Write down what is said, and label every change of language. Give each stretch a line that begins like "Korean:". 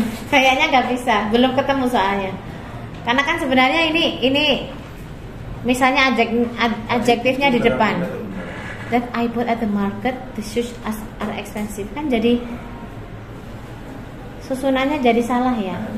Indonesian: Kayaknya nggak bisa, belum ketemu soalnya. Karena kan sebenarnya ini, misalnya adjektifnya di depan.
English: that I bought at the market, the shoes are expensive.
Indonesian: Kan jadi susunannya jadi salah ya.